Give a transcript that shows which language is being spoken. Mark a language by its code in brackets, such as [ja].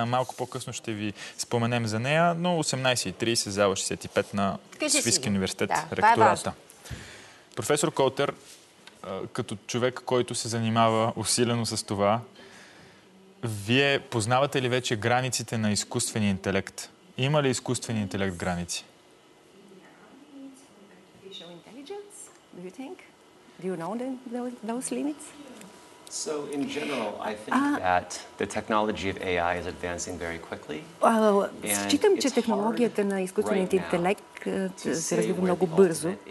[bg] Малко по-късно ще ви споменем за нея. Но 18.30, зала 65 на Софийския университет, да, ректората. Професор Колтер, като човек, който се занимава усилено с това, вие познавате ли вече границите на изкуствения интелект? Има ли изкуствен интелект граници? [en] Artificial intelligence, do you think? Do you know those limits? So in general, I think that the technology of AI is advancing very quickly. [bg] Считам, че технологията на изкуствения интелект се развива много бързо.